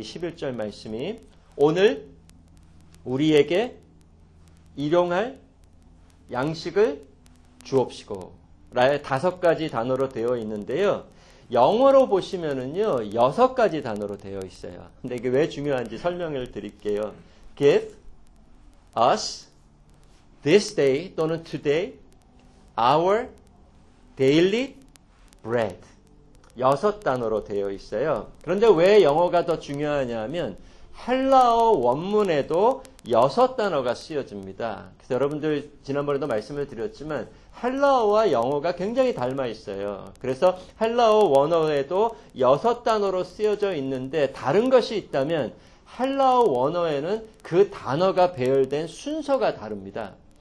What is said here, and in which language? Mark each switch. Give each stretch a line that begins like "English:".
Korean: 이 11절 말씀이 오늘 우리에게 일용할 양식을 주옵시고 라의 다섯 가지 단어로 되어 있는데요. 영어로 보시면은요, 여섯 가지 단어로 되어 있어요. 근데 이게 왜 중요한지 설명을 드릴게요.
English: Give us this day 또는 today our daily bread.
Korean: 여섯 단어로 되어 있어요. 그런데 왜 영어가 더 중요하냐면 헬라어 원문에도 여섯 단어가 쓰여집니다. 그래서 여러분들 지난번에도 말씀을 드렸지만 헬라어와 영어가 굉장히 닮아 있어요. 그래서 헬라어 원어에도 여섯 단어로 쓰여져 있는데 다른 것이 있다면 헬라어 원어에는 그 단어가 배열된 순서가 다릅니다.